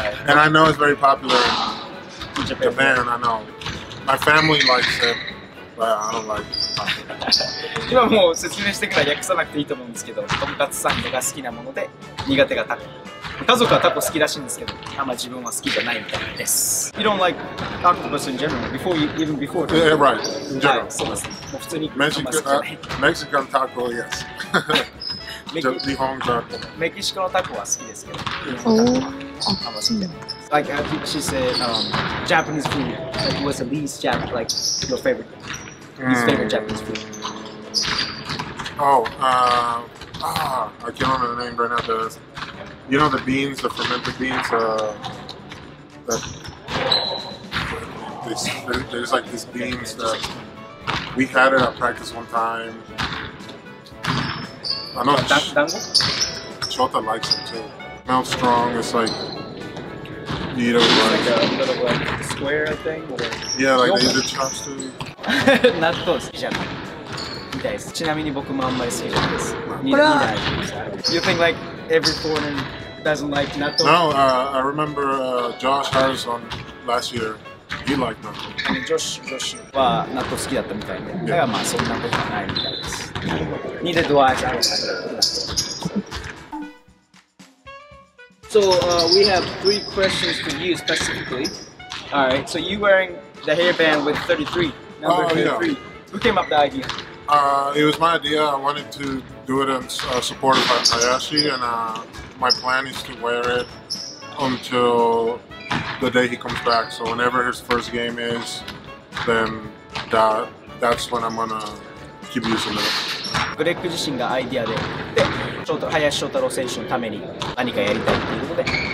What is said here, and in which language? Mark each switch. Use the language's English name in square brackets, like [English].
[English] And I know it's very popular in Japan, I know. My family likes it, but I don't like it. [Japanese] 今もう説明してから訳さなくていいと思うんですけど、とんかつサンドが好きなもので苦手がタコ。家族はタコ好きらしいんですけど、あんま自分は好きじゃないみたいです。 [English] You don't like octopus in general, before you, even before. Yeah, right, in general. [Japanese] はい、そうですね。もう普通にメキシコ、メキシコのタコ、yes. 日本タコ。メキシコのタコは好きですけど、日本タコは好きじゃない。 [English] Like, she said, Japanese food, like, what's the least Japanese, like, your favorite? I can't remember the name right now. The, you know the beans, the fermented beans? There's like these beans that we had it at practice one time. I know Shota likes it too. Smells strong. It's like, you eat it with like a square thing? Yeah, like they use the chopsticks. [Japanese] 納豆好きじゃないみたいです。ちなみに僕もあんまり好きじゃないです。これは [English] You think like every foreign doesn't like 納豆 No, I remember Josh Harris on last year. He liked 納豆 [Japanese] Josh は納豆好きだったみたいで、だからまあそんなことはないみたいです。 [English] ニデドアイズアロサイド So, we have three questions for you specifically. Alright, so you wearing the hairband with 33? Who came up with the idea? It was my idea. I wanted to do it in support of Hayashi, and my plan is to wear it until the day he comes back. So whenever his first game is, then that's when I'm gonna keep using it. [Japanese] Greg 自身がアイディアで、林翔太郎選手のために何かやりたいということで。